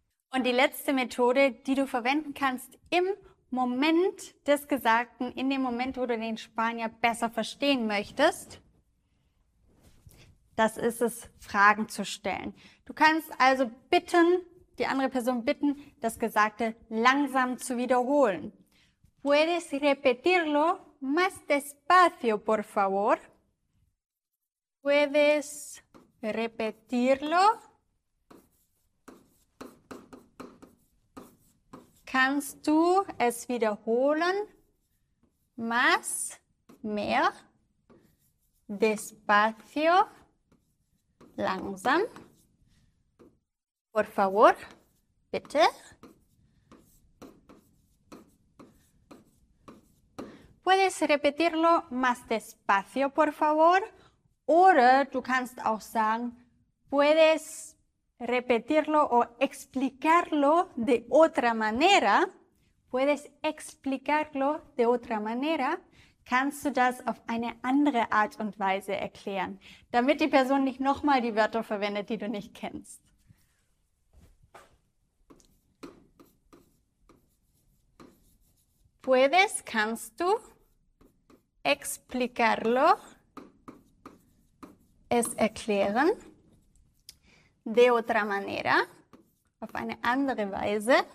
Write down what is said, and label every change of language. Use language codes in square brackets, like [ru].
[de] Und die letzte Methode, die du verwenden kannst im Moment des Gesagten, in dem Moment, wo du den Spanier besser verstehen möchtest, das ist es, Fragen zu stellen. Du kannst also bitten, die andere Person bitten, das Gesagte langsam zu wiederholen. [es] Puedes repetirlo más despacio, por favor. Puedes repetirlo. [de] Kannst du es wiederholen? Más, mehr, despacio, langsam. [es] Por favor, bitte. Puedes repetirlo más despacio, por favor. [de] Oder du kannst auch sagen, [es] puedes repetirlo o explicarlo de otra manera. Puedes explicarlo de otra manera. [de] Kannst du das auf eine andere Art und Weise erklären, damit die Person nicht nochmal die Wörter verwendet, die du nicht kennst. Puedes, kannst du. Explicarlo, es erklären, [es] de otra manera, [de] auf eine andere Weise.